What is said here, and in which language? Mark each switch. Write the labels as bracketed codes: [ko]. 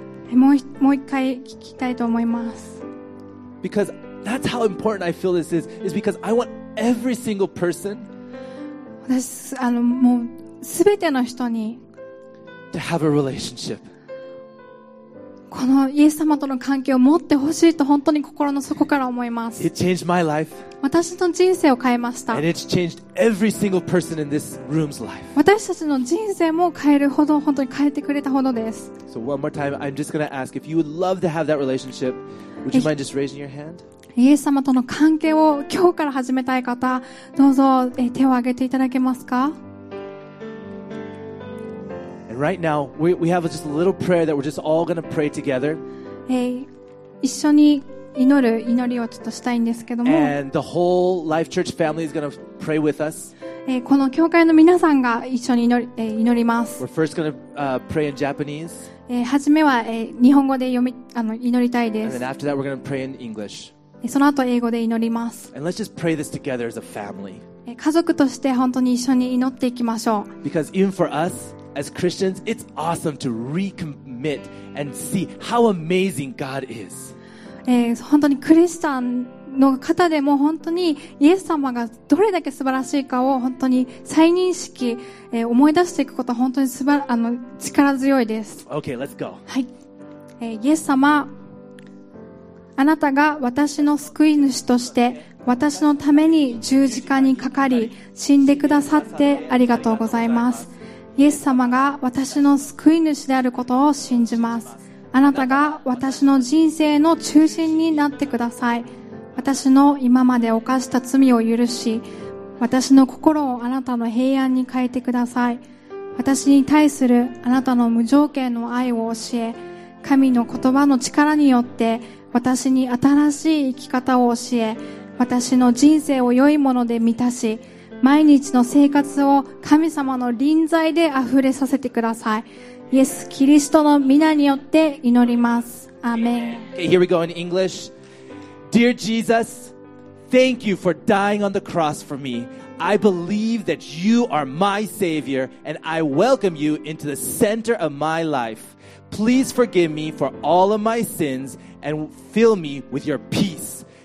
[ja] もう一回聞きたいと思います。 [en] Because that's how important I feel this is because I want every single person [ja] 私もう全ての人に [en] to have a relationship. [ja] このイエス様との関係を持ってほしいと本当に心の底から思います。 [en] It changed my life. [ja] 私の人生を変えました。 [en] And it's changed every single person in this room's life. [ja] 私たちの人生も変えるほど本当に変えてくれたほどです。 [en] So one more time, I'm just going to ask if you would love to have that relationship, would you mind just raising your hand? [ja] イエス様との関係を今日から始めたい方、どうぞ手を挙げていただけますか? [en] And right now, we have just a little prayer that we're just all going to pray together. [ja] 一緒に祈る祈りをちょっとしたいんですけども [en] And the whole Life Church family is going to pray with us. [ja] この教会の皆さんが一緒に祈ります [en] We're first going to pray in Japanese. [ja] 初めは日本語で祈りたいです [en] And then after that we're going to pray in English. [ja] その後英語で祈ります [en] And let's just pray this together as a family. [ja] 家族として本当に一緒に祈っていきましょう [en] Because even for us as Christians it's awesome to recommit and see how amazing God is. [ja] 本当にクリスチャンの方でも本当にイエス様がどれだけ素晴らしいかを本当に再認識、思い出していくことは本当に力強いです。 [en] OK, let's go、 [ja] はい、イエス様、あなたが私の救い主として、私のために十字架にかかり死んでくださってありがとうございます。イエス様が私の救い主であることを信じます。あなたが私の人生の中心になってください。私の今まで犯した罪を許し、私の心をあなたの平安に変えてください。私に対するあなたの無条件の愛を教え、神の言葉の力によって私に新しい生き方を教え、私の人生を良いもので満たし、毎日の生活を神様の臨在で溢れさせてください。イエス・キリストの御名によって祈ります。アーメン。 [en] Okay, here we go in English. Dear Jesus, thank you for dying on the cross for me. I believe that you are my Savior and I welcome you into the center of my life. Please forgive me for all of my sins and fill me with your peace.